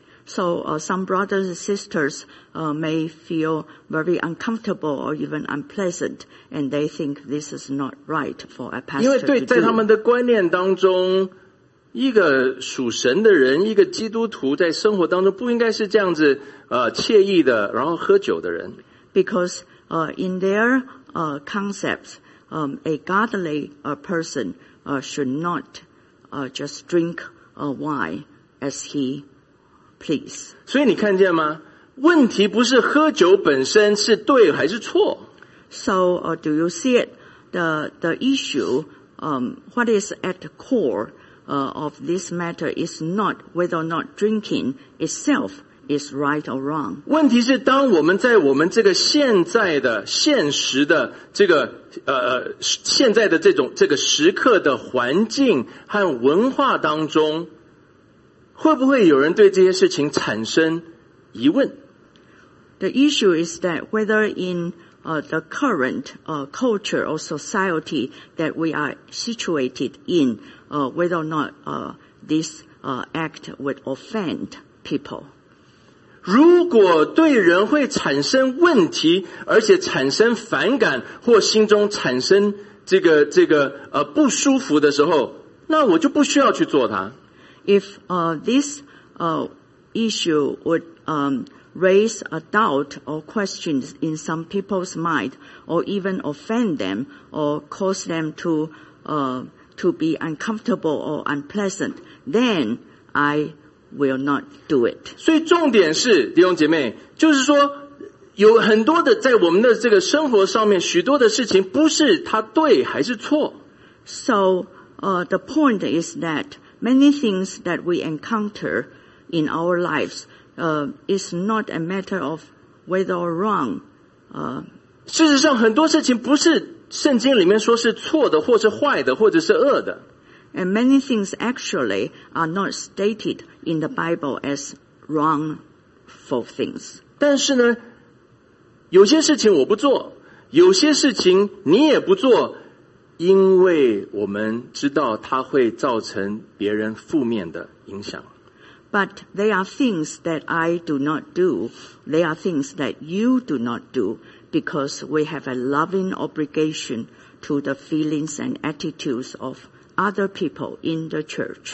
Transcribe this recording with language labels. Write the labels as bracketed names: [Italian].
[English] So, some brothers and sisters, may feel very uncomfortable or even unpleasant, and they think this is not right for a pastor. [Chinese] 因为对在他们的观念当中，一个属神的人，一个基督徒在生活当中不应该是这样子惬意的然后喝酒的人。 [English] Because, in their, concepts, a godly, person, should not, just drink, wine as he please. [Chinese] 所以你看见吗？问题不是喝酒本身是对还是错。 [English] So, do you see it? The issue, what is at the core, of this matter is not whether or not drinking itself is right or wrong. [Chinese] 问题是当我们在我们这个现在的现实的这个现在的这种这个时刻的环境和文化当中，会不会有人对这些事情产生疑问？ [English] The issue is that whether in the current culture or society that we are situated in, whether or not this act would offend people. [Chinese] 如果对人会产生问题，而且产生反感，或心中产生这个不舒服的时候，那我就不需要去做它。 [English] If this issue would raise a doubt or questions in some people's mind, or even offend them, or cause them to be uncomfortable or unpleasant, then I will not do it. [Chinese] 所以重点是，弟兄姐妹，就是说，有很多的在我们的这个生活上面，许多的事情不是它对还是错。 [English] So, the point is that many things that we encounter in our lives, is not a matter of whether or wrong. [Chinese] 事实上，很多事情不是圣经里面说是错的，或是坏的，或者是恶的。 [English] And many things actually are not stated in the Bible as wrongful things. [Chinese] 但是呢，有些事情我不做，有些事情你也不做，因为我们知道它会造成别人负面的影响。 [English] But there are things that I do not do. There are things that you do not do because we have a loving obligation to the feelings and attitudes of other people in the church.